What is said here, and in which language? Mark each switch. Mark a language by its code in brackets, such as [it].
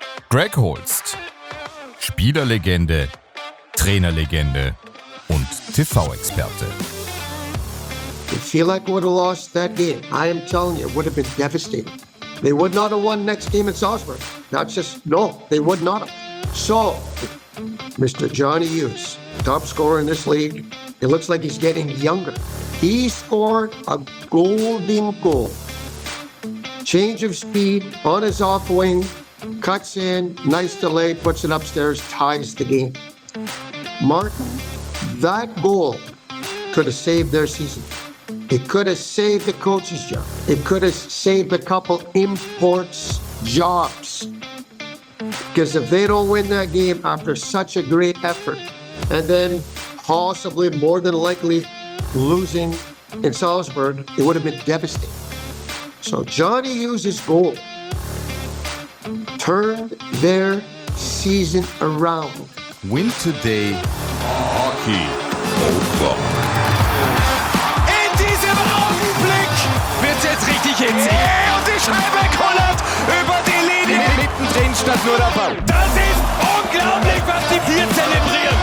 [de] Greg Holst, Spielerlegende, Trainerlegende und TV-Experte. [en] I feel like we'd have lost that game. I am telling you, it would have been devastating. They would not have won next game in Salzburg. That's just, no, they would not have. So, Mr. Johnny Hughes, top scorer in this league, it looks like he's getting younger. He scored a golden goal. Change of speed, on his off wing, cuts in, nice delay, puts it upstairs, ties the game. Martin, that goal could have saved their season. It could have saved the coach's job. It could have saved a couple imports' jobs. Because if they don't win that game after such a great effort, and then possibly more than likely losing in Salzburg, it would have been devastating. So Johnny Hughes' goal turned their season around. Win today, hockey over. [de] In diesem Augenblick wird es jetzt richtig hitzig. Yeah, und die Scheibe kollert über die Linie. [en] Yeah. [de] Mittendrin statt nur der Ball. Das ist unglaublich, was die vier zelebrieren.